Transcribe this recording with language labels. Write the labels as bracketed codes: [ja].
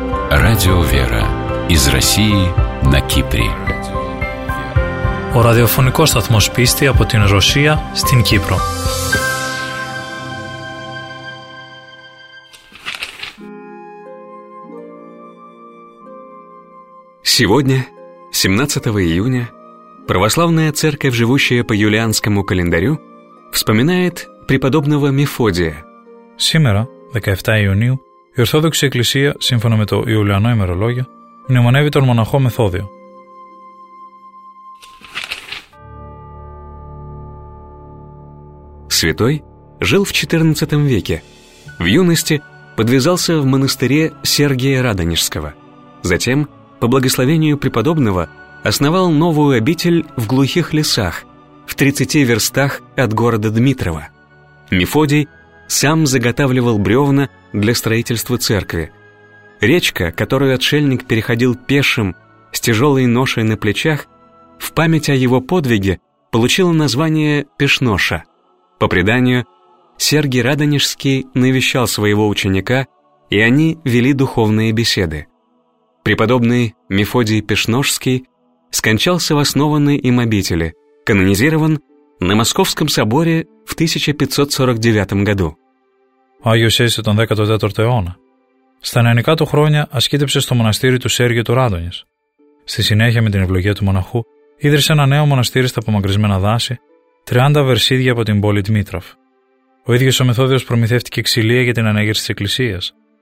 [ru] Радио «Вера» из России на Кипре. [el] Ο ραδιοφωνικός σταθμός πίστη από την Ρωσία στην Κύπρο. [ru] Сегодня, 17 июня, православная церковь, живущая по юлианскому календарю, вспоминает преподобного Мефодия. Сегодня, 17 июня, [el] η Ορθόδοξη Εκκλησία, σύμφωνα με το Ιουλιανό ημερολόγιο, μνημονεύει τον μοναχό Μεθόδιο. [ru] Святой жил в 14 веке. В юности подвязался в монастыре Сергия Радонежского. Затем, по благословению преподобного, основал новую обитель в глухих лесах, в 30 верстах от города Дмитрова. Мефодий сам заготавливал бревна для строительства церкви. Речка, которую отшельник переходил пешим, с тяжелой ношей на плечах, в память о его подвиге получила название Пешноша. По преданию, Сергий Радонежский навещал своего ученика, и они вели духовные беседы. Преподобный Мефодий Пешношский скончался в основанной им обители, канонизирован на Московском соборе в 1549 году. [el] Ο Άγιος έζησε τον 14ο αιώνα. Στα 90 του χρόνια ασκήτεψε στο μοναστήρι του Σέργιου του Ράδονης. Στη συνέχεια, με την ευλογία του μοναχού, ίδρυσε ένα νέο μοναστήρι στα απομακρυσμένα δάση, 30 βερσίδια από την πόλη Δμήτροφ. Ο ίδιος ο Μεθόδιος προμηθεύτηκε ξυλία για την ανέγερση της εκκλησίας.